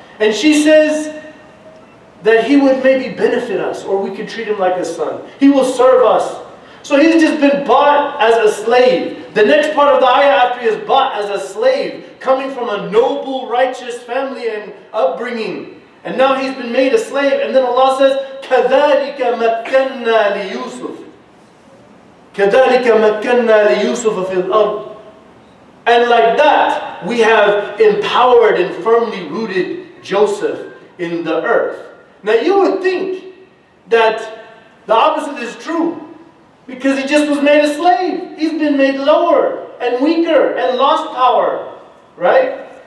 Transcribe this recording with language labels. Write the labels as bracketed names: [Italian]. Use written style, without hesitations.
[English] And she says that he would maybe benefit us, or we could treat him like a son. He will serve us. So he's just been bought as a slave. The next part of the ayah after he is bought as a slave, coming from a noble, righteous family and upbringing. And now he's been made a slave. And then Allah says, [Arabic] كَذَلِكَ مَكَّنَّا لِيُوسُفِ كَذَلِكَ مَكَّنَّا لِيُوسُفَ فِي الْأَرْضِ. [English] And like that, we have empowered and firmly rooted Joseph in the earth. Now you would think that the opposite is true, because he just was made a slave. He's been made lower and weaker and lost power, right?